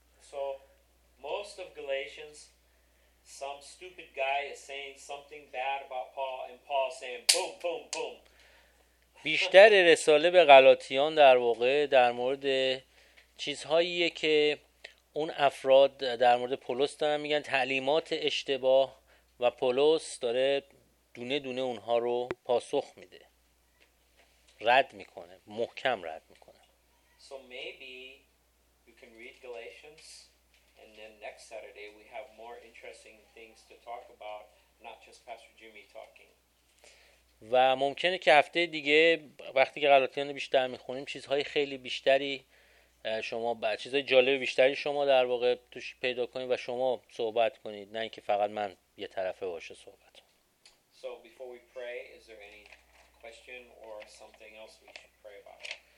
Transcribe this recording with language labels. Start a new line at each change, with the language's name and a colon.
English: So most of Galatians, some stupid guy is saying something bad about Paul, and Paul saying boom, boom, boom.
Persian: بیشتر رساله به غلاطیان در واقع در مورد چیزهاییه که اون افراد در مورد پولس دارن میگن، تعلیمات اشتباه، و پولس داره دونه دونه اونها رو پاسخ میده، رد میکنه، محکم رد میکنه.
English: So maybe you can read Galatians and then next Saturday we have more interesting things to talk about, not just Pastor Jimmy talking.
Persian: و ممکنه که هفته دیگه وقتی که غلاطیان رو بیشتر میخونیم چیزهای خیلی بیشتری شما چیزهای جالب بیشتری شما در واقع توش پیدا کنید و شما صحبت کنید، نه اینکه فقط من یه طرفه باشه صحبت.
English: So before we pray, is there any question or something else we should pray about?